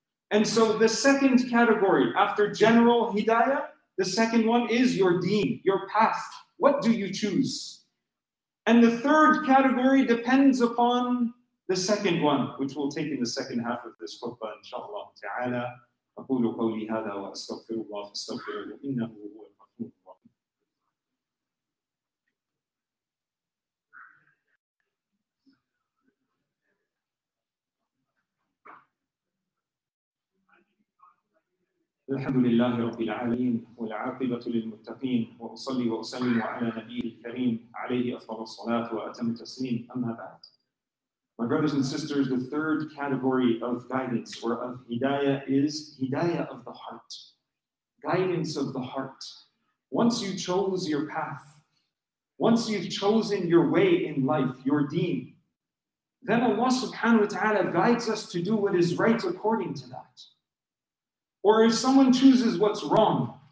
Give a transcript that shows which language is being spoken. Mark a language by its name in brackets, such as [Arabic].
[English] And so the second category, after general hidayah, the second one is your deen, your path. What do you choose? And the third category depends upon the second one, which we'll take in the second half of this khutbah, inshallah ta'ala. [Arabic] أقول قولي هذا وأستغفر الله استغفره إنه هو الغفور الرحيم. الحمد لله رب العالمين والعاقبة للمتقين وأصلي وأسلم على نبي الكريم عليه أفضل الصلاة وأتم التسليم أما بعد. [English] My brothers and sisters, the third category of guidance or of hidayah is hidayah of the heart. Guidance of the heart. Once you chose your path, once you've chosen your way in life, your deen, then Allah subhanahu wa ta'ala guides us to do what is right according to that. Or if someone chooses what's wrong